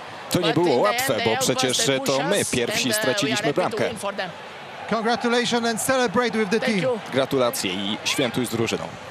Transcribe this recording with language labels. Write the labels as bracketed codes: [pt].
[pl] To nie było łatwe, bo przecież to my pierwsi straciliśmy bramkę. [en] Congratulations and celebrate with the team. [pl] Gratulacje i świętuj z drużyną.